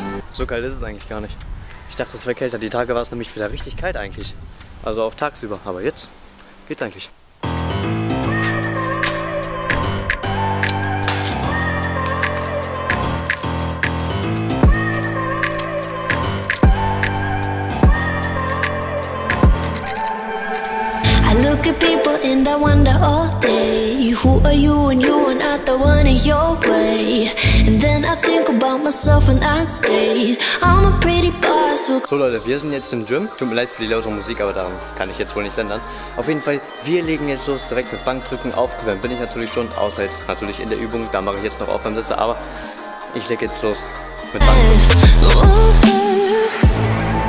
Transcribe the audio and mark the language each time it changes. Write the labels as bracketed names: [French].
[German] So kalt ist es eigentlich gar nicht. Ich dachte, es wäre kälter. Die Tage war es nämlich wieder richtig kalt eigentlich. Also auch tagsüber. Aber jetzt geht's eigentlich. [English] I look at people and I wonder all day. Who are you when you are not the one in your way? And then I think about myself and I stay. I'm a pretty boss. [German] So Leute, wir sind jetzt im Gym. Tut mir leid für die laute Musik, aber daran kann ich jetzt wohl nicht ändern. Auf jeden Fall, wir legen jetzt los direkt mit Bankdrücken. Aufgewärmt bin ich natürlich schon, außer jetzt natürlich in der Übung. Da mache ich jetzt noch Aufwärmsitze, aber ich lege jetzt los mit Bankdrücken.